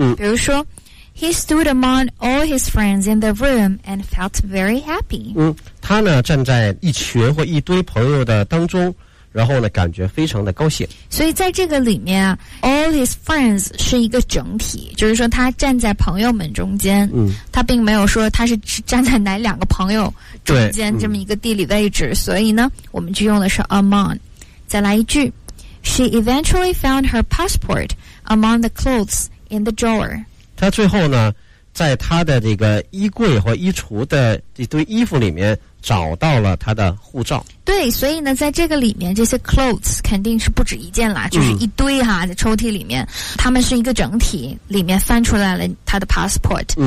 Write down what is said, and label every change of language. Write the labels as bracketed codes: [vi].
[zh] 比如说 [en] ，He stood among all his friends in the room and felt very happy。 [zh] 他呢站在一群或一堆朋友的当中，然后呢感觉非常的高兴。所以在这个里面啊 ， [en] all his friends [zh] 是一个整体，就是说他站在朋友们中间。嗯，他并没有说他是站在哪两个朋友中间这么一个地理位置，所以呢，我们就用的是 among。再来一句。 [en] She eventually found her passport among the clothes in the drawer. [zh] 她最后呢，在她的这个衣柜或衣橱的一堆衣服里面找到了她的护照。对，所以呢，在这个里面，这些 clothes 肯定是不止一件啦，就是一堆哈，在抽屉里面，他们是一个整体，里面翻出来了她的 passport。